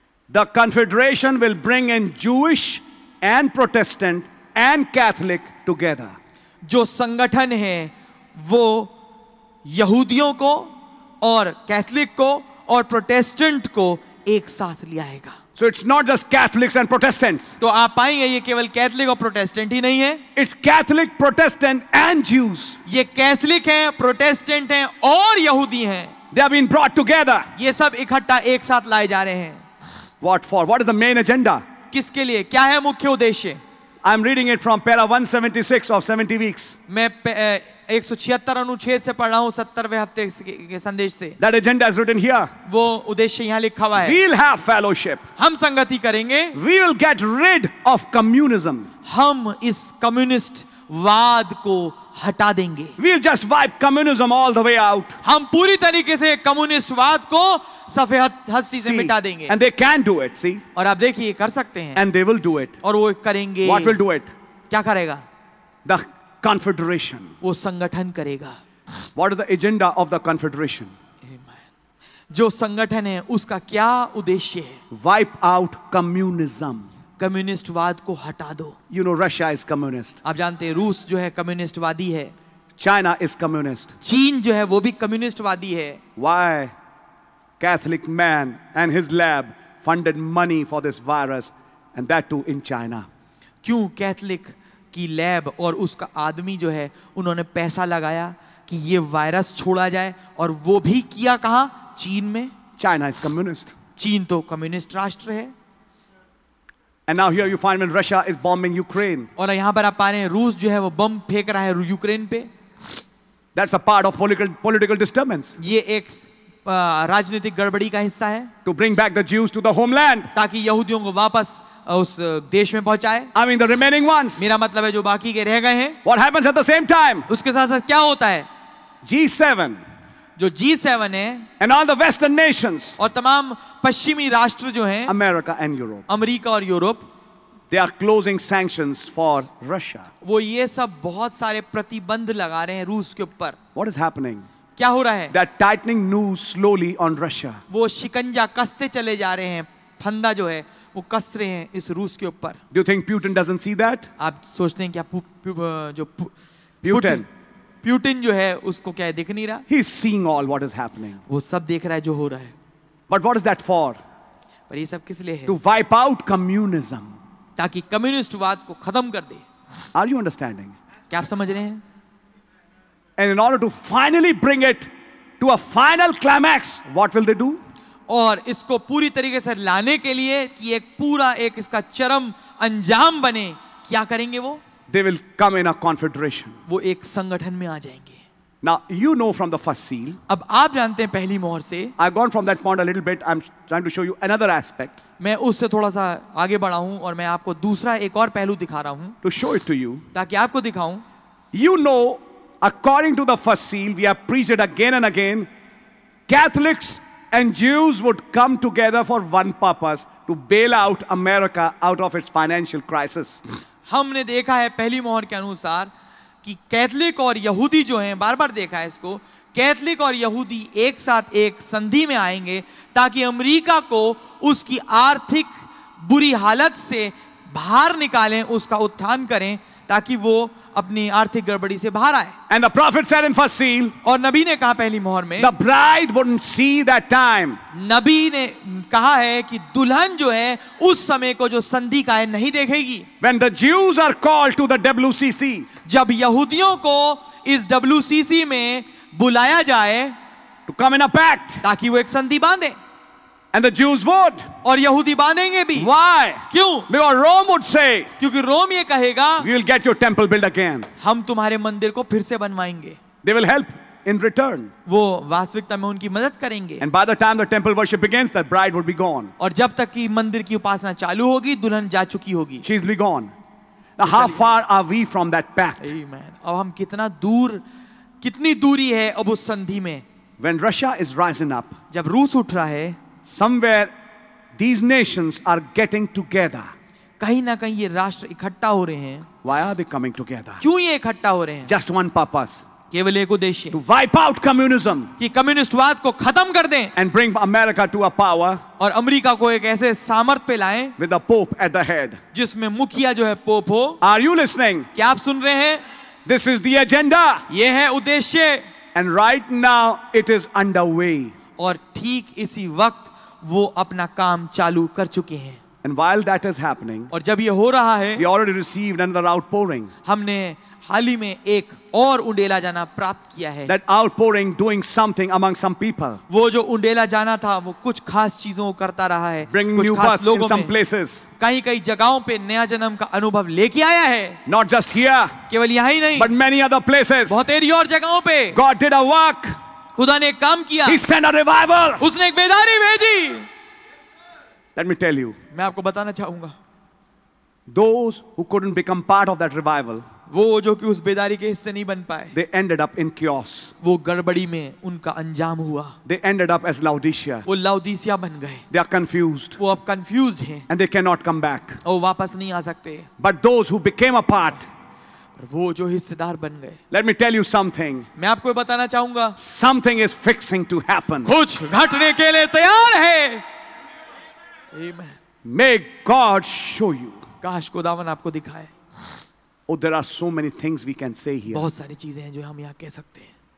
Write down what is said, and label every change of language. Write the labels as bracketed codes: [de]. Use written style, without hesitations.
[en] The confederation will bring in Jewish and Protestant and Catholic together. [hi] जो संगठन है वो यहूदियों को और कैथलिक को और प्रोटेस्टेंट को एक साथ ले आएगा. [en] So it's not just Catholics and Protestants. [hi] तो आप पाएंगे ये केवल कैथलिक और प्रोटेस्टेंट ही नहीं है. [en] It's Catholic, Protestant and Jews. [hi] ये कैथलिक हैं, प्रोटेस्टेंट हैं और यहूदी हैं. [en] They have been brought together. [hi] ये सब इकट्ठा एक साथ लाए जा रहे हैं. [en] What for? What is the main agenda? [hi] किसके लिए? क्या है मुख्य उद्देश्य? [en] I'm reading it from para 176 of 70 weeks. [hi] मैं 176 अनुच्छेद से पढ़ रहा हूँ 70वें हफ्ते के संदेश से. [en] That agenda is written here. [hi] वो उद्देश्य यहाँ लिखा हुआ है. [en] We'll have fellowship. [hi] हम संगति करेंगे. [en] We will get rid of communism. [hi] हम इस कम्युनिस्ट वाद को हटा देंगे. [en] We'll just wipe communism all the way out. [hi] हम पूरी तरीके से कम्युनिस्ट वाद को सफेद हस्ती से मिटा देंगे. [en] And they can do it, see? [hi] और आप देखिए कर सकते हैं. [en] And they will do it. [hi] और वो करेंगे. [en] What will do it? [hi] क्या करेगा? [en] The confederation. [hi] वो संगठन करेगा. [en] What is the agenda of the confederation? Amen. [hi] जो संगठन है उसका क्या उद्देश्य है? [en] Wipe out communism. [hi] कम्युनिस्ट वाद को हटा दो. [en] You know Russia is communist. [hi] आप जानते हैं रूस जो है कम्युनिस्ट वादी है. [en] China is communist. [hi] चीन जो है वो भी कम्युनिस्ट वादी है. [en] Why? Catholic man and his lab funded money for this virus, and that too in China. [hi] क्यों कैथलिक की लैब और उसका आदमी जो है उन्होंने पैसा लगाया कि ये वायरस छोड़ा जाए और वो भी किया कहां? चीन में. [en] China is communist. [hi] चीन तो कम्युनिस्ट राष्ट्र है. [en] And now here you find when Russia is bombing Ukraine. [hi] और यहां पर आप पा रहे हैं रूस जो है वो बम फेंक रहा है यूक्रेन पे. [en] That's a part of political disturbance. [hi] ये एक राजनीतिक गड़बड़ी का हिस्सा है. [en] To bring back the Jews to the homeland. [hi] ताकि यहूदियों को वापस उस देश में पहुंचाए. [en] I mean the remaining ones. [hi] मेरा मतलब है जो बाकी के रह गए हैं. [en] What happens at the same time? [hi] उसके साथ साथ क्या होता है? [en] G7. [hi] जो G7 है. [en] And all the Western nations. [hi] और तमाम पश्चिमी राष्ट्र जो हैं. [en] America and Europe. [hi] अमेरिका और Europe. [en] They are closing sanctions for Russia. [hi] वो ये सब बहुत सारे प्रतिबंध लगा रहे हैं रूस के ऊपर. [en] What is happening? [hi] क्या हो रहा है? [en] That tightening noose slowly on Russia. [hi] वो शिकंजा कसते चले जा रहे हैं. फंदा जो है वो कस रहे हैं इस रूस के ऊपर. [en] Do you think Putin doesn't see that? [hi] आप सोचते हैं क्या जो [en] Putin? [hi] Putin जो है उसको क्या दिख नहीं रहा? [en] He's seeing all what is happening. [hi] वो सब देख रहा है जो हो रहा है. [en] But what is that for? [hi] पर ये सब किस लिए है? [en] To wipe out communism. [hi] ताकि कम्युनिस्ट वाद को खत्म कर दे. [en] Are you understanding? [hi] क्या आप समझ रहे हैं? [en] And in order to finally bring it to a final climax, what will they do? [hi] और इसको पूरी तरीके से लाने के लिए कि एक पूरा एक इसका चरम अंजाम बने क्या करेंगे वो? [en] They will come in a confederation. [hi] वो एक संगठन में आ जाएंगे. [en] Now you know from the first seal. [hi] अब आप जानते हैं पहली मोहर से. [en] I've gone from that point a little bit. I'm trying to show you another aspect. [hi] मैं उससे थोड़ा सा आगे बढ़ा हूँ और मैं आपको दूसरा एक और पहलू दिखा रहा हूँ. [en] To show it to you. [hi] ताकि आपको दिखाऊं. [en] You know. According to the first seal, we have preached it again and again. Catholics and Jews would come together for one purpose, to bail out America out of its financial crisis. [hi] हमने देखा है पहली मोहर के अनुसार कि Catholic और यहूदी जो हैं बार-बार देखा है इसको. कैथलिक और यहूदी एक साथ एक संधि में आएंगे ताकि अमेरिका को उसकी आर्थिक बुरी हालत से बाहर निकालें, उसका उत्थान करें ताकि वो अपनी आर्थिक गड़बड़ी से बाहर आए. [en] And the prophet said in first seal. [hi] और नबी ने कहा पहली मोहर में. [en] The bride wouldn't see that time. [hi] नबी ने कहा है कि दुल्हन जो है उस समय को जो संधि का है नहीं देखेगी. [en] When the Jews are called to the WCC. [hi] जब यहूदियों को इस WCC में बुलाया जाए. [en] To come in a pact. [hi] ताकि वो एक संधि बांधे. [en] And the Jews would. [hi] और यहूदी बांधेंगे भी. [en] Why? [hi] क्यों? [en] Because Rome would say. [hi] क्योंकि रोम ये कहेगा. [en] We will get your temple built again. [hi] हम तुम्हारे मंदिर को फिर से बनवाएंगे. [en] They will help in return. [hi] वो वास्तविकता में उनकी मदद करेंगे. [en] And by the time the temple worship begins, the bride would be gone. [hi] और जब तक कि मंदिर की उपासना चालू होगी, दुल्हन जा चुकी होगी. [en] She's be gone. Now how far are we from that pact? Amen. [hi] अब हम कितना दूर, कितनी दूरी है अब उस संधि में? [en] When Russia is rising up. [hi] जब रूस उठ रहा है. [en] Somewhere these nations are getting together. [hi] कहीं ना कहीं ये राष्ट्र इकट्ठा हो रहे हैं. [en] Why are they coming together? [hi] क्यों ये इकट्ठा हो रहे हैं? [en] Just one purpose. [hi] केवल एक उद्देश्य [en] to wipe out communism [hi] कि कम्युनिस्टवाद को खत्म कर दें [en] and bring America to a power [hi] और अमेरिका को एक ऐसे सामर्थ्य पे लाएं [en] with a pope at the head [hi] जिसमें मुखिया जो है पोप हो [en] are you listening [hi] क्या आप सुन रहे हैं [en] this is the agenda [hi] ये है उद्देश्य [en] and right now it is under way [hi] और ठीक इसी वक्त वो अपना काम चालू कर चुके हैं [en] And while that is happening, [hi] और जब ये हो रहा है, [en] we already received another outpouring. [hi] हमने हाल ही में एक और उंडेला जाना प्राप्त किया है. [en] That outpouring doing something among some people. [hi] वो जो उंडेला जाना था, वो कुछ खास चीजों को करता रहा है. [en] Bringing new births in some places. [hi] कहीं कहीं जगहों पे नया जन्म का अनुभव लेके आया है. [en] Not just here. [hi] केवल यहाँ ही नहीं. [en] But many other places. [hi] बहुत सारी और जगहों पे. [en] God did a work. [hi] खुदा ने काम किया. [en] He sent a revival. [hi] उसने एक बेदारी भेजी. [en] Let me tell you. [hi] मैं आपको बताना चाहूंगा [en] Those who couldn't become part of that revival, [hi] वो जो कि उस बेदारी के हिस्से नहीं बन पाए [en] they ended up in chaos. [hi] वो गड़बड़ी में उनका अंजाम हुआ [en] they ended up as Laodicea. [hi] वो लाओदीसिया बन गए [en] they are confused. [hi] वो अब confused हैं [en] and they cannot come back. [hi] वो वापस नहीं आ सकते [en] But those who became a part, [hi] वो जो हिस्सेदार बन गए [en] Let me tell you something. [hi] मैं आपको बताना चाहूंगा [en] Something is fixing to happen. [hi] कुछ घटने के लिए तैयार है Amen. [en] May God show you. [hi] काश खुदावन आपको दिखाए. [en] Oh, there are so many things we can say here. [hi] बहुत सारी चीजें हैं जो हम यहाँ कह सकते हैं.